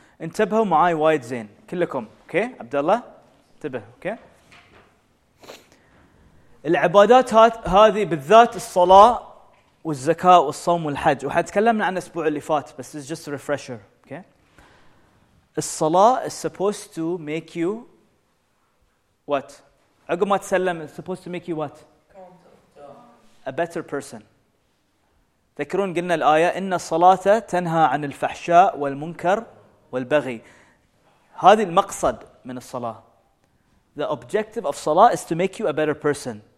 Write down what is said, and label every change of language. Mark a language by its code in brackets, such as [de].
[ar] انتبهوا معاي وايد زين كلكم. [en] Okay, [ar] عبدالله انتبه. [en] Okay, [ar] العبادات هذه بالذات الصلاة والزكاة والصوم والحج وحتكلمنا عن الأسبوع اللي فات بس [en] it's just a refresher. Okay, [ar] الصلاة [en] is supposed to make you what? [ar] عقب ما تسلم [en] is supposed to make you what? A better person. [ar] تذكرون قلنا الآية إن الصلاة تنهى عن الفحشاء والمنكر والبغي. هذه المقصد من الصلاة. [en] The objective of صلاة is to make you a better person.